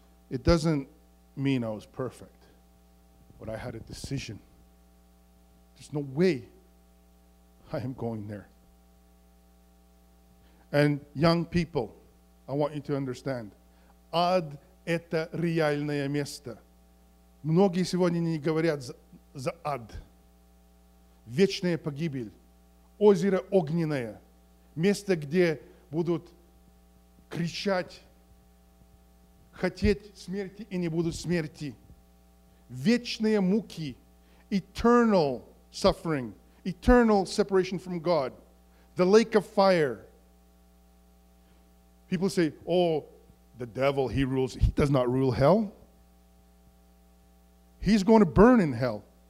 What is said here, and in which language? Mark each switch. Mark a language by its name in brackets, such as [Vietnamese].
[English] It doesn't mean I was perfect, but I had a decision. There's no way I am going there. And young people, I want you to understand. [Russian] Ад – это реальное место. Многие сегодня не говорят за ад. Вечная погибель. Озеро огненное. Место, где будут кричать, хотеть смерти и не будут смерти. Вечные муки. [English] Eternal suffering. Eternal separation from God. The lake of fire. People say, oh, the devil, he rules. He does not rule hell. He's going to burn in hell.